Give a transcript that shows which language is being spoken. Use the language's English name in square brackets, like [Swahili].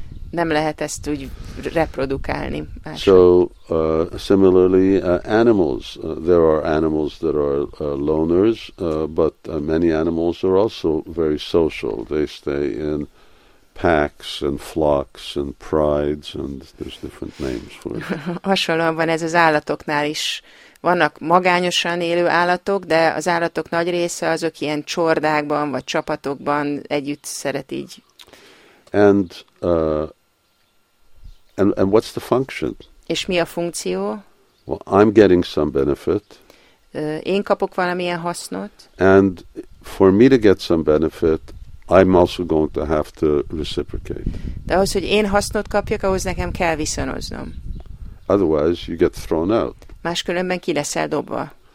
[Hungarian] Nem lehet ezt úgy reprodukálni. Másra. [English] So similarly, animals. There are animals that are loners, but many animals are also very social. They stay in packs and flocks and prides, and there's different names for it. [Hungarian] Hasonlóan van ez az állatoknál is. Vannak magányosan élő állatok, de az állatok nagy része azok ilyen csordákban vagy csapatokban együtt szeret így. [English] And what's the function? [Hungarian] És mi a funkció? [English] Well, I'm getting some benefit. [Hungarian] Én kapok valamilyen hasznot. [English] And for me to get some benefit, I'm also going to have to reciprocate. [Hungarian] De ahhoz, hogy én hasznot kapjak, ahhoz nekem kell viszonoznom. [English] Otherwise, you get thrown out. [Hungarian] Máskülönben ki leszel dobva.